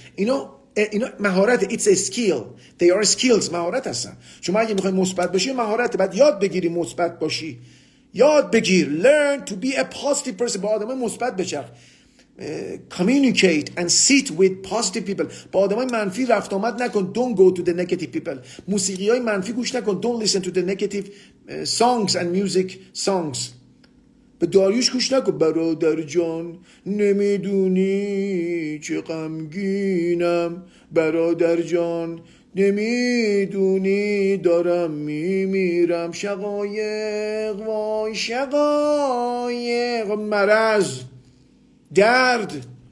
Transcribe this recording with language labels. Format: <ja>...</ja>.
<fa>اینا مهارت،</fa> <en>it's a skill. They are skills,</en> <fa>مهارت هستن. شما اگه میخوای مثبت باشی، مهارت بعد یاد بگیری مثبت باشی. یاد بگیر.</fa> <en>Learn to be a positive person.</en> <fa>با آدم های مثبت بچرخ.</fa> <en>Communicate and sit with positive people.</en> <fa>با آدم های منفی رفت آمد نکن.</fa> <en>Don't go to the negative people.</en> <fa>موسیقی های منفی گوش نکن.</fa> <en>Don't listen to the negative songs and music songs.</en> <fa>به داریوش گوش نکن، برادر جان نمیدونی چه غمگینم، برادر جان نمیدونی دارم میمیرم، شقایق وای شقایق، مرض، درد.</fa>